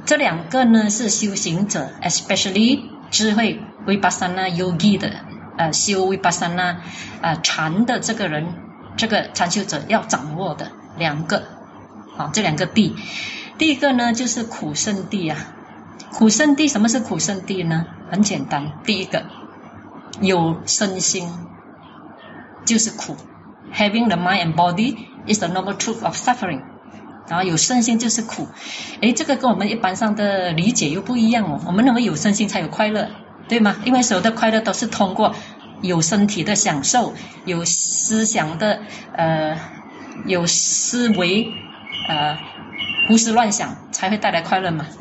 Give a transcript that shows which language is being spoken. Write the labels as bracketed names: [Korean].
[Chinese] 这两个呢是修行者 ， [English] especially [Chinese] 智慧 vipassana yogi 的修 vipassana 禅的这个人，这个禅修者要掌握的两个这两个谛。第一个呢就是苦圣谛苦圣谛什么是苦圣谛呢？很简单，第一个有身心就是苦。 [English] Having the mind and body is the noble truth of suffering. [Chinese] 然后有身心就是苦。诶，这个跟我们一般上的理解又不一样哦。我们认为有身心才有快乐，对吗？因为所有的快乐都是通过有身体的享受，有思想的有思维胡思乱想才会带来快乐嘛。